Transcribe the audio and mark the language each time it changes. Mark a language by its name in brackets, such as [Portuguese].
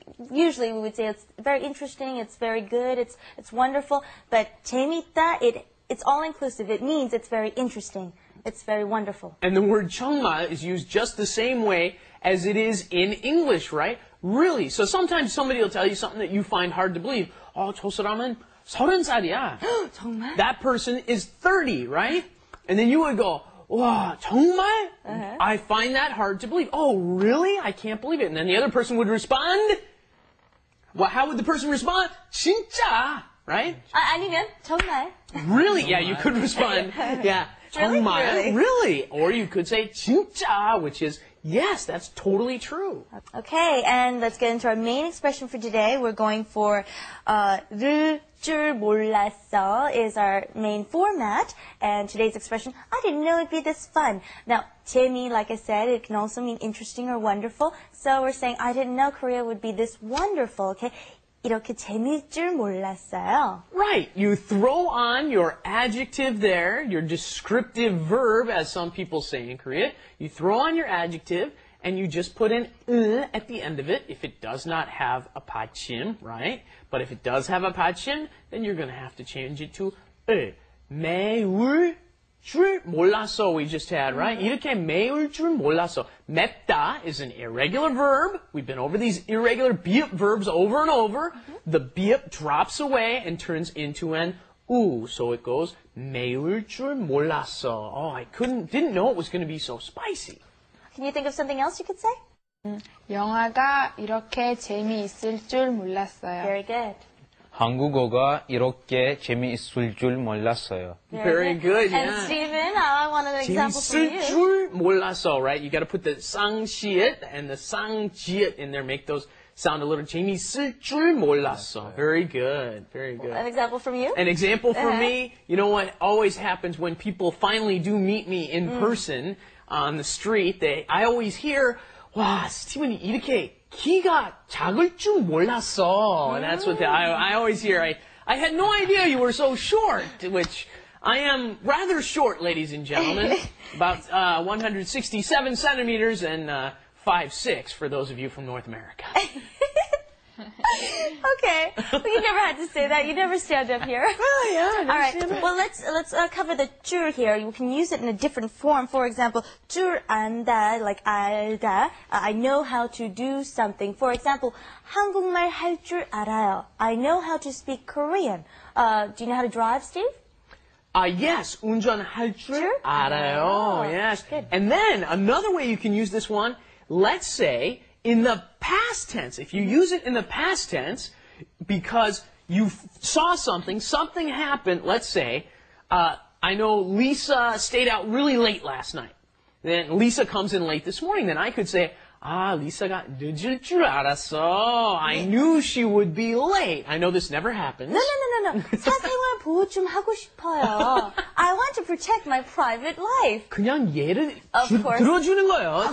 [English] Usually we would say it's very interesting, it's very good, it's wonderful. But 재밌다, it's all-inclusive. It means it's very interesting. It's very wonderful. And the word 정말 is used just the same way as it is in English, right? Really. So sometimes somebody will tell you something that you find hard to believe. [Korean] Oh, 저 사람은 서른 살이야. 정말? [English] That person is 30, right? And then you would go, [Korean] 와, 정말? [English] I find that hard to believe. Oh, really? I can't believe it. And then the other person would respond. Well, how would the person respond? [Korean] 진짜, right? 아니면 정말. [English] Really? Yeah, you could respond. Yeah. [Korean] 정말? [English] Really? Or you could say 진짜, which is, yes, that's totally true. Okay, and let's get into our main expression for today. We're going for [Korean] 를 줄 몰랐어 [English] is our main format. And today's expression, I didn't know it'd be this fun. Now, 재미, like I said, it can also mean interesting or wonderful. So we're saying, I didn't know Korea would be this wonderful, okay? [Korean] 이렇게 재미일 줄 몰랐어요. [English] Right. You throw on your adjective there, your descriptive verb, as some people say in Korea. You throw on your adjective, and you just put an 으 at the end of it if it does not have a 받침, right? But if it does have a 받침, then you're going to have to change it to 으. [Korean] 매울 줄 몰랐어, [English] we just had, right? [Korean] 이렇게 매울 줄 몰랐어. [English] 맵다 is an irregular verb. We've been over these irregular 비읍 verbs over and over. The 비읍 drops away and turns into an 우. So it goes [Korean] 매울 줄 몰랐어. [English] Oh, I couldn't, didn't know it was going to be so spicy. Can you think of something else you could say? [Korean] 영화가 이렇게 재미있을 줄 몰랐어요. [English] Very good. [Korean] 한국어가 이렇게 재미있을 줄 몰랐어요. [English] Very good, yeah. And Stephen, I want an example for you. [Korean] 재미있을 줄 몰랐어, right? [English] You got to put the 쌍시엣 and the 쌍지엣 in there. Make those sound a little [Korean] 재미있을 줄 몰랐어. [English] Very good, very good. An example from you? An example from me. You know what always happens when people finally do meet me in person on the street? I always hear, [Korean] 와, 스티븐이 이렇게 키가 작을 줄 몰랐어. [English] And that's what I always hear. I had no idea you were so short, which I am rather short, ladies and gentlemen. About 167 centimeters and 5'6", for those of you from North America. Okay. Well, you never had to say that. You never stand up here. Oh, yeah. All right. Well, let's cover the 줄 here. You can use it in a different form. For example, 줄 안다, like 알다. I know how to do something. For example, [Korean] 한국말 할 줄 알아요. [English] I know how to speak Korean. Do you know how to drive, Steve? Yes. [Korean] 운전할 줄 알아요. [English] Oh, yes. Good. And then another way you can use this one, let's say, in the past tense, if you use it in the past tense, because you saw something happened, let's say, I know Lisa stayed out really late last night. Then Lisa comes in late this morning. Then I could say, ah, Lisa got [Korean] 늦을 줄 알았어. [English] I knew she would be late. I know this never happens. No. [Korean] 사생활 보호 좀 하고 싶어요. [English] I want to protect my private life. [Korean] 그냥 예를 들어주는 거예요.